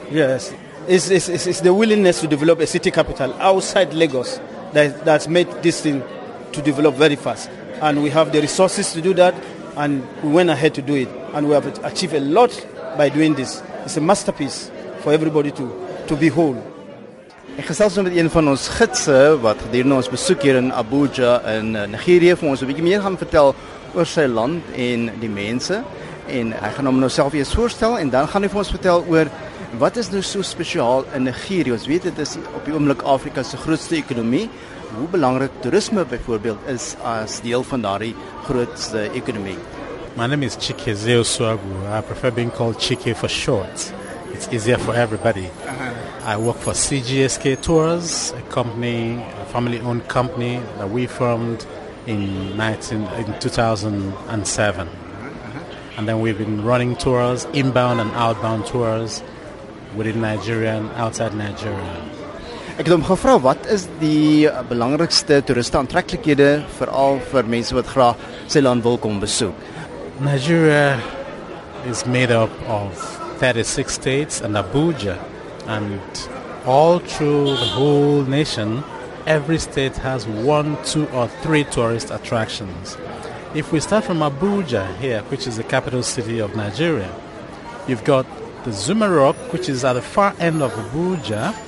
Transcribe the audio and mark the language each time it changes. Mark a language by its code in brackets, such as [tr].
[en] Yes, it's the willingness to develop a city capital outside Lagos that's made this thing to develop very fast. And we have the resources to do that, and we went ahead to do it. And we have achieved a lot by doing this. It's a masterpiece for everybody to behold. [af] Ek gesels met een van ons gidse wat gedurende ons besoek hier in Abuja in Nigerië vir ons 'n bietjie meer gaan vertel oor sy land en die mense. En hy gaan hom nou self eers voorstel en dan gaan hy vir ons vertel oor wat is nou so spesiaal in Nigerië. Ons weet dit is op die oomblik Afrika se grootste ekonomie. Hoe belangrik toerisme byvoorbeeld is as deel van daardie grootste ekonomie. [en] My name is Chike Zeo Swagu. I prefer being called Chike for short. It's easier for everybody. I work for CGSK Tours, a company, a family-owned company that we formed in 2007. And then we've been running tours, inbound and outbound tours, within Nigeria and outside Nigeria. [af] Ek het hom gevra, wat is die belangrikste toeriste aantreklikhede, veral vir mense wat graag sy land wil kom besoek? [en] Nigeria is made up of 36 states and Abuja, and all through the whole nation, every state has one, two or three tourist attractions. If we start from Abuja here, which is the capital city of Nigeria, you've got the Zuma Rock, which is at the far end of Abuja.